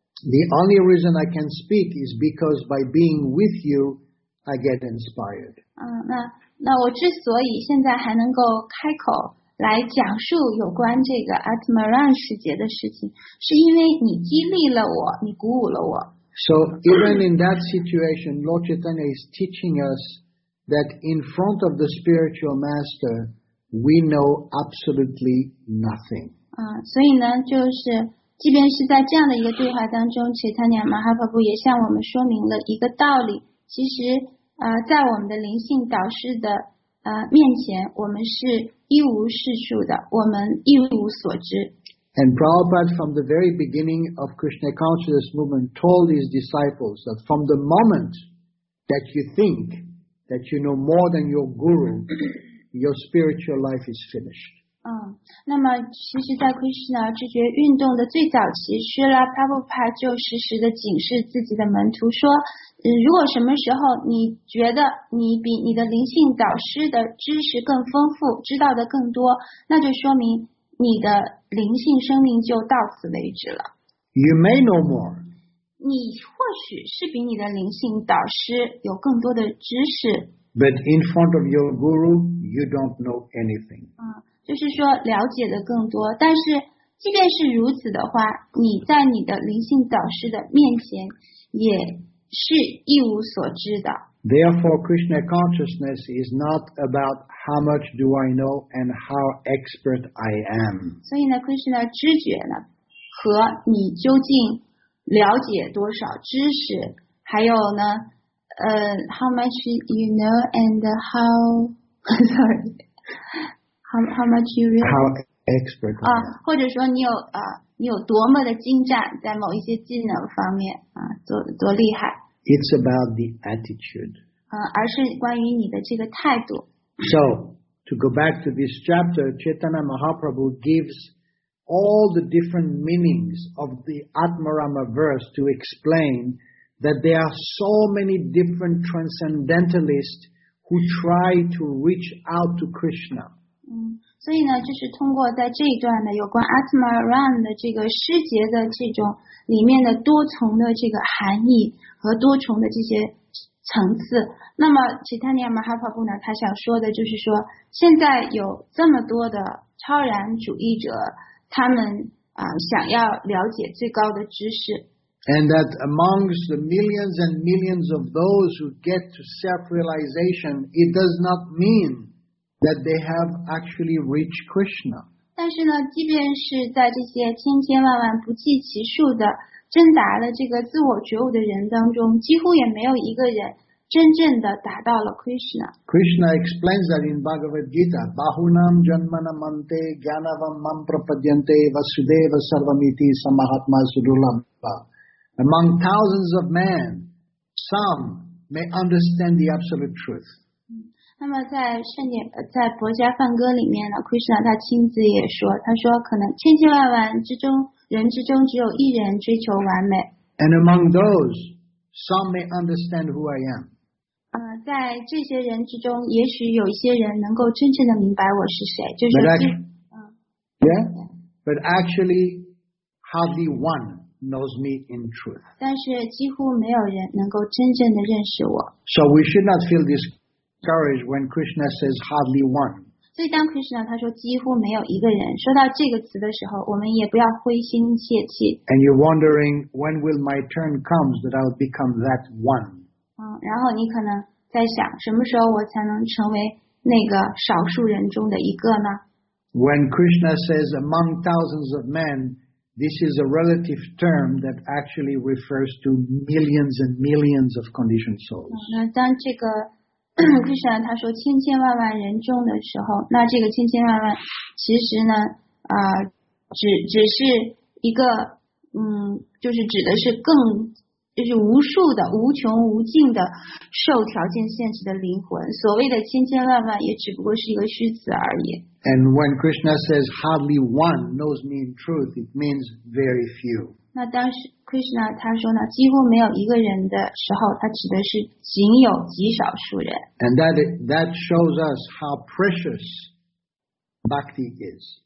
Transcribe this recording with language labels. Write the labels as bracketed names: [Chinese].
[English] The only reason I can speak is because by being with you, I get inspired. [Chinese] 那我之所以现在还能够开口。来讲述有关这个 Atmaran 世界的事情，是因为你激励了我，你鼓舞了我。 [English] So even in that situation, Lord Chaitanya is teaching us that in front of the spiritual master, we know absolutely nothing. [Chinese] 所以呢，就是即便是在这样的一个对话当中，切塔尼亚马哈帕布也向我们说明了一个道理，其实在我们的灵性导师的面前，我们是一无是处的，我们一无所知。 [English] And Prabhupada from the very beginning of Krishna consciousness movement told his disciples that from the moment that you think that you know more than your guru, your spiritual life is finished. [Chinese] 那么其实在 Krishna 知觉运动的最早期，是啦 Prabhupada 就实时的警示自己的门徒说，如果什么时候你觉得你比你的灵性导师的知识更丰富，知道的更多，那就说明你的灵性生命就到此为止了。 [English] You may know more. [Chinese] 你或许是比你的灵性导师有更多的知识。 [English] But in front of your guru, you don't know anything. [Chinese] 就是说了解的更多，但是即便是如此的话，你在你的灵性导师的面前也是一无所知的。 [English] Therefore, Krishna consciousness is not about how much do I know and how expert I am. [Chinese] 所以呢 ，Krishna 知觉呢，和你究竟了解多少知识，还有呢， [English] how much you know and how much you really how expert [Chinese] 啊，或者说你有你有多么的精湛，在某一些技能方面啊，多厉害。 [English] It's about the attitude. [Chinese] 而是关于你的这个态度。 [English] So, to go back to this chapter, Chaitanya Mahaprabhu gives all the different meanings of the Atmarama verse to explain that there are so many different transcendentalists who try to reach out to Krishna. [Chinese] 所以呢，就是通过在这一段呢，有关 Atmarama 的这个诗节的这种里面的多重的这个含义和多重的这些层次，那么其他尼亚马哈帕布呢，他想说的就是说，现在有这么多的超然主义者，他们想要了解最高的知识。 [English] And that amongst the millions and millions of those who get to self-realization, it does not mean that they have actually reached Krishna. [Chinese] 但是呢，即便是在这些千千万万不计其数的真达了这个自我觉悟的人当中，几乎也没有一个人真正的达到了 Krishna。 [English] Krishna explains that in Bhagavad Gita, [Sanskrit] Bahunam Janmanamante Gyanavam Mamprapadyante Vasudeva Sarvamiti Samahatma Sudulabha. [English] Among thousands of men, some may understand the absolute truth. [Chinese] 那么在圣典在《薄伽梵歌》里面呢 ，Krishna 他亲自也说，他说可能千千万万之中。人之中只有一人追求完美。 [English] And among those, some may understand who I am. [Chinese] 在这些人之中，也许有一些人能够真正的明白我是谁，就是。 [English] But actually, hardly one knows me in truth. [Chinese] 但是几乎没有人能够真正的认识我。 [English] So we should not feel discouraged when Krishna says hardly one. [Chinese] 所以当 Krishna 他说几乎没有一个人说到这个词的时候，我们也不要灰心泄气。 [English] And you're wondering when will my turn comes that I'll become that one. [Chinese] 然后你可能在想什么时候我才能成为那个少数人中的一个呢？ [English] When Krishna says among thousands of men, this is a relative term that actually refers to millions and millions of conditioned souls. [Chinese] 那当这个Krishna 他说千千万万人中的时候，那这个千千万万其实呢只是一个就是指的是更就是无数的无穷无尽的受条件限制的灵魂，所谓的千千万万也只不过是一个虚词而已。 [English] And when Krishna says hardly one knows me in truth, it means very few. [Chinese] 那当时 Krishna 他说呢几乎没有一个人的时候，他指的是仅有极少数人。 [English] And that shows us how precious bhakti is.